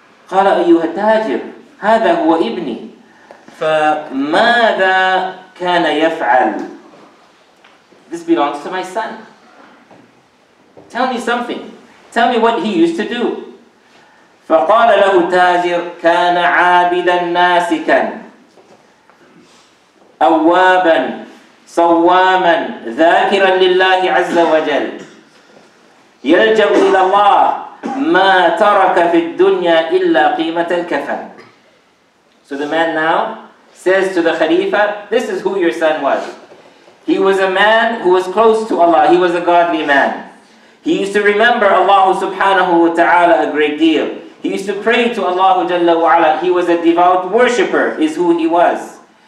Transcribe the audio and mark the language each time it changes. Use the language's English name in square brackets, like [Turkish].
[Arabic] قَالَ أَيُّهَا التَّاجِرُ هَذَا هُوَ إِبْنِي فَمَاذَا كَانَ يَفْعَلُ. [English] This belongs to my son. Tell me something. Tell me what he used to do. [Arabic] فَقَالَ لَهُ التَّاجِرُ كَانَ عَابِدًا نَاسِكًا أَوَّابًا صواماً ذاكراً لله عز وجل يلجأ إلى الله ما ترك في الدنيا إلا قيمة الكفن. [English] So the man now says to the Khalifa, this is who your son was. He was a man who was close to Allah. He was a godly man. He used to remember Allah subhanahu wa ta'ala a great deal. He used to pray to Allah jalla wa ala. He was a devout worshipper, is who he was.